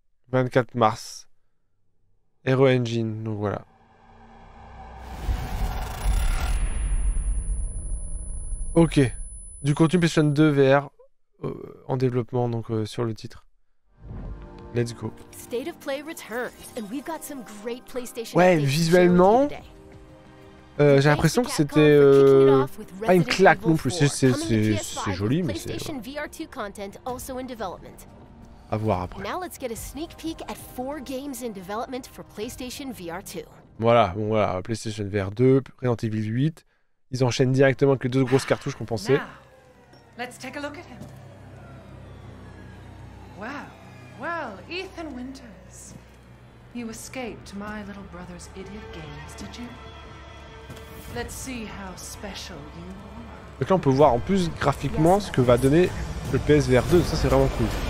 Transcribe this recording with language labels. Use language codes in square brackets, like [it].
[fr] 24 mars. Hero Engine, donc voilà. Ok, du contenu PlayStation 2 VR en développement, donc sur le titre. [en] Let's go. State of Play returns, and we've got some great PlayStation. [fr] Ouais, visuellement, j'ai l'impression que c'était pas une claque non plus. C'est joli, mais c'est. PlayStation VR 2 [en] content also in development. [fr] À voir après. [en] Now let's get a sneak peek at 4 games in development for PlayStation VR 2. [fr] Voilà, bon voilà, PlayStation VR 2, Resident Evil 8. Ils enchaînent directement avec les deux grosses cartouches qu'on pensait. [en] Now, let's take a look at him. Well, well, Ethan Winters. You escaped my little brother's idiot games, did you? Let's see how special you are. [fr] Donc là, on peut voir en plus graphiquement ce que va donner le PSVR 2. Ça, c'est vraiment cool.